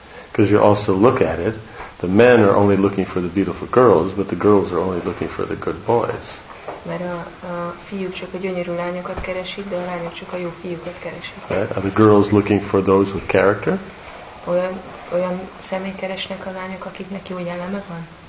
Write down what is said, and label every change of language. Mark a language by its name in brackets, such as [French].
[English] Because you also look at it, the men are only looking for the beautiful girls, but the girls are only looking for the good boys. [Hungarian] Mert a fiúk csak a gyönyörű lányokat keresik, de a lányok csak a jó fiúkat keresik. [English] Right? Are the girls looking for those with character? [Hungarian] Olyan személy keresnek a lányok, akiknek jó jelleme van?